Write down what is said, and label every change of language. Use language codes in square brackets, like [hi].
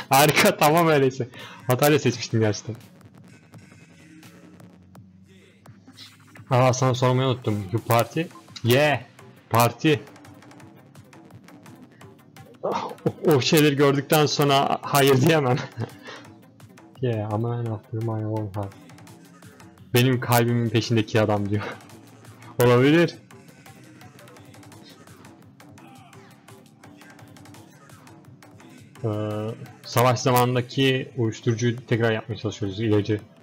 [tr] Harika, tamam öyleyse. Hatayla seçmiştim gerçekten. Aa, sana sormayı unuttum. [en] You party? Yeah! Party! [tr] O şeyleri gördükten sonra hayır diyemem. [en] Yeah, a man after my own heart. [tr] Benim kalbimin peşindeki adam diyor. Olabilir. Savaş zamanındaki uyuşturucuyu tekrar yapmaya çalışıyoruz, ilacı.